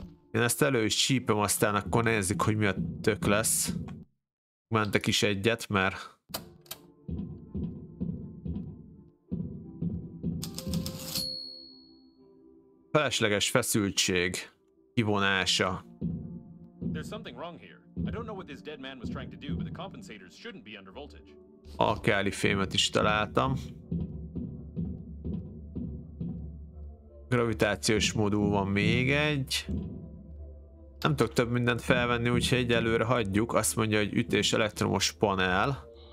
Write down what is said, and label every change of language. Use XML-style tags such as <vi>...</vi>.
<hu>Én ezt elő is csípem, aztán akkor nézzük, hogy mi a tök lesz. Mentek is egyet, mert... felesleges feszültség kivonása.</hu> <en>There's something wrong here. I don't know what this dead man was trying to do, but the compensators shouldn't be under voltage.</en> <hu>Alkáli fémet is találtam. Gravitációs modul van még egy. Nem tudok több mindent felvenni, úgyhogy egyelőre hagyjuk. Azt mondja, hogy ütés elektromos panel.</hu>